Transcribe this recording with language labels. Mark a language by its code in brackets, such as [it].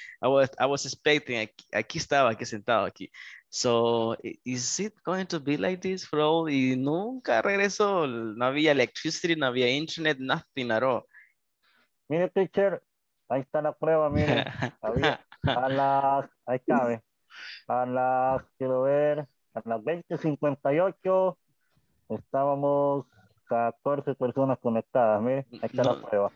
[en] I was expecting, [es] aquí estaba, aquí sentado aquí. [en] So, is it going to be like this for all? [es] Y nunca regresó. No había electricity, no había internet, [en] nothing at all. [es] Mire, teacher, ahí está la prueba, mire. A las 20:58 estábamos 14 personas conectadas, mire, ahí está la prueba.